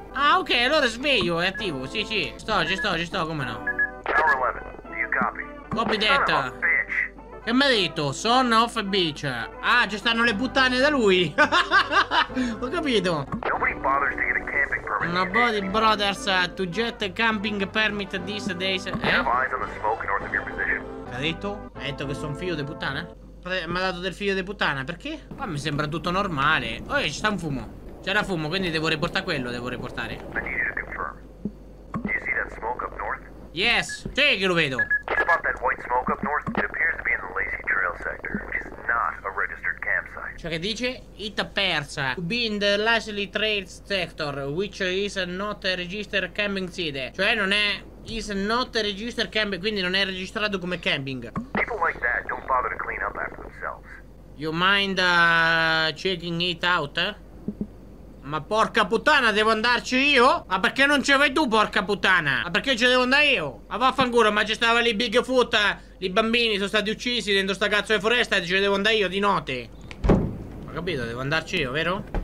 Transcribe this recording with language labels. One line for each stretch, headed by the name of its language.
Italian: Ah, ok, allora sveglio, è attivo. Sì, sì. Sto, ci sto, ci sto, come no.
English: Tower 11, do you copy?
Italian: Copy detta. Che mi ha detto?
English: Son of a bitch.
Italian: Ah, ci stanno le puttane da lui. Ho capito.
English: Nobody bothers to get a camping permit. Nobody bothers to get a camping permit these days.
Italian: Eh?
English: Have eyes on the smoke north of your position.
Italian: Che ha detto? Ha detto che sono figlio di puttana? Mi ha dato del figlio di puttana, perché? Qua mi sembra tutto normale. Oh, ci sta un fumo. C'era fumo, quindi devo riportare quello, devo riportare.
English: I need you to confirm. Do you see that smoke up north? Yes.
Italian: Sì, che lo vedo.
English: Spot that white smoke up north? It appears to be in the Lazy Trail sector, which is not a registered campsite.
Italian: Cioè che dice?
English: It appears to be in the Lazy Trail sector, which is not a registered camping site.
Italian: Cioè non è...
English: Is not a registered camping,
Italian: quindi non è registrato come camping.
English: People like that don't bother to clean up after themselves. You mind checking it out?
Italian: Ma porca puttana, devo andarci io? Ma perché non ci vai tu, porca puttana? Ma perché ci devo andare io? Ma vaffanculo, ma ci stava lì Bigfoot. I bambini sono stati uccisi dentro sta cazzo di foresta e ci devo andare io di notte. Ho capito, devo andarci io, vero?